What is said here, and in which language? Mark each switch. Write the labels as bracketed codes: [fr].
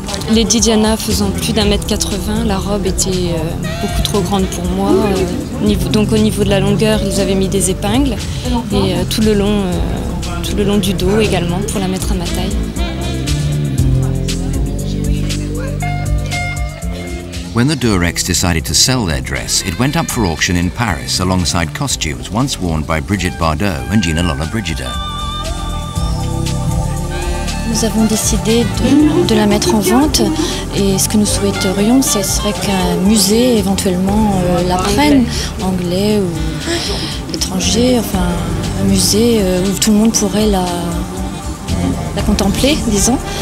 [fr] Lady Diana faisant plus d'1m80, la robe était beaucoup trop grande pour moi. Donc au niveau de la longueur, ils avaient mis des épingles. Et tout le long du dos également, pour la mettre à ma taille. [en] When the Durecs decided to sell their dress, it went up for auction in Paris alongside costumes once worn by Brigitte Bardot and Gina Lola Brigida. [fr] Nous avons décidé de la mettre en vente et ce que nous souhaiterions, ce serait qu'un musée éventuellement la prenne, anglais ou étranger, enfin un musée où tout le monde pourrait la contempler, disons.